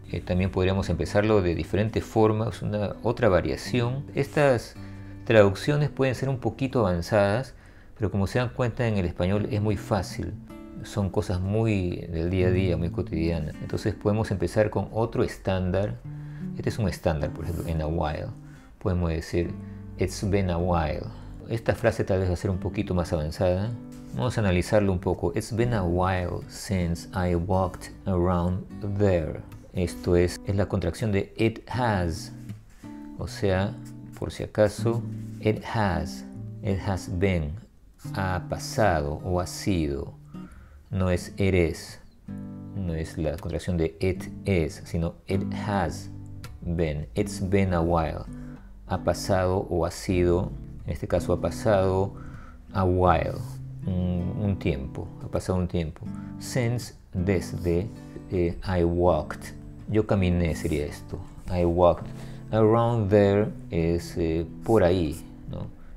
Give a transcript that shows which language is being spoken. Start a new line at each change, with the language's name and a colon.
Spanish: También podríamos empezarlo de diferentes formas, una otra variación. Estas traducciones pueden ser un poquito avanzadas, pero como se dan cuenta, en el español es muy fácil. Son cosas muy del día a día, muy cotidianas. Entonces podemos empezar con otro estándar. Este es un estándar, por ejemplo,
English: in a while. Podemos decir, it's been a while.
Spanish: Esta frase tal vez va a ser un poquito más avanzada. Vamos a analizarlo un poco.
English: It's been a while since I walked around there.
Spanish: Esto es la contracción de
English: it has.
Spanish: O sea, por si acaso,
English: it has been,
Spanish: ha pasado o ha sido. No es eres, no es la contracción de
English: it is,
Spanish: sino
English: it has been, it's been a while,
Spanish: ha pasado o ha sido, en este caso ha pasado a while, un tiempo, ha pasado un tiempo, since, desde,
English: I walked,
Spanish: yo caminé sería esto, I walked,
English: around there
Spanish: es por ahí, ¿no?